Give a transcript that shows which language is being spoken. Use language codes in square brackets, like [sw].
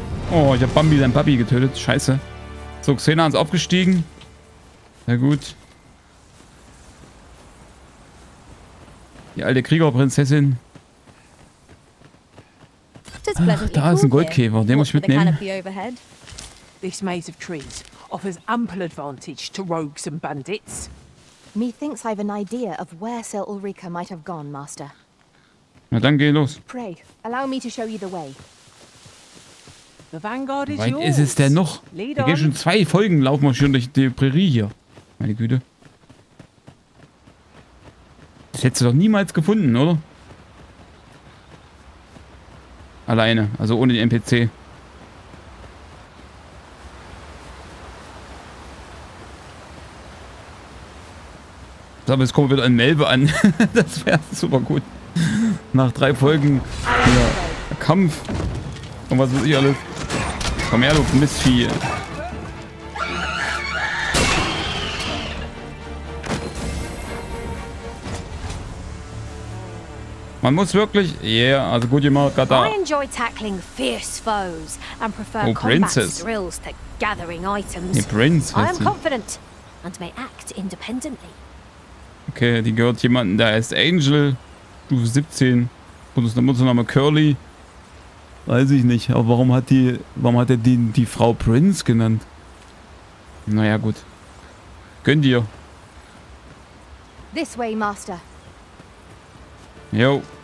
[de] Oh, ich hab Bambi sein Papi getötet. Scheiße. So, Xena ist aufgestiegen. Na gut. Die alte Kriegerprinzessin. Ach, da ist ein Goldkäfer. Den muss ich mitnehmen. [en] This maze of trees offers ample advantage to rogues and bandits. Methinks I've an idea of where Sir Ulrika might have gone, Master. [de] Na dann geh los. [en] Pray, allow me to show you the way. [de] Wie weit ist es denn noch? Wir gehen schon zwei Folgen, laufen wir schon durch die Prärie hier. Meine Güte. Das hättest du doch niemals gefunden, oder? Alleine, also ohne den NPC. So, aber jetzt kommen wir wieder in Melbe an. Das wäre super gut. Nach drei Folgen ja, Kampf. Und was weiß ich alles. Komm her, du Mistvieh. Man muss wirklich. Yeah, also gut gemacht, Gata. [en] I enjoy tackling fierce foes and prefer combat drills to gathering items. Die Prinz, I am confident and may act independently. [de] Okay, die gehört jemanden, der heißt Angel, Stufe 17. Bundesnamen Curly. Weiß ich nicht, aber warum hat er die Frau Prince genannt? Naja, gut. Gönn dir. [en] This way, Master. [de] Jo.